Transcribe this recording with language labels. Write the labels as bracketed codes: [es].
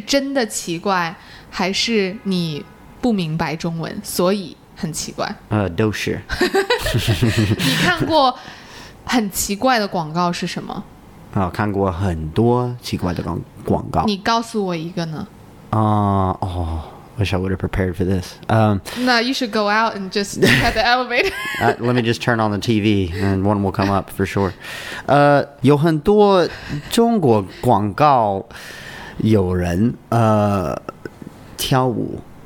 [zh] 我的意思是你住在中国，你会看到很多中文的广告。嗯，是的，有的中文广告好奇怪，是吗？嗯，你觉得他们是真的奇怪，还是你 不明白中文，所以很奇怪。都是。你看过很奇怪的广告是什么？看过很多奇怪的广告。你告诉我一个呢？ [en] Oh, I wish I would have prepared for this. No, you should go out and just look at the elevator. Let me just turn on the TV and one will come up for sure. [zh] 有很多中国广告有人跳舞。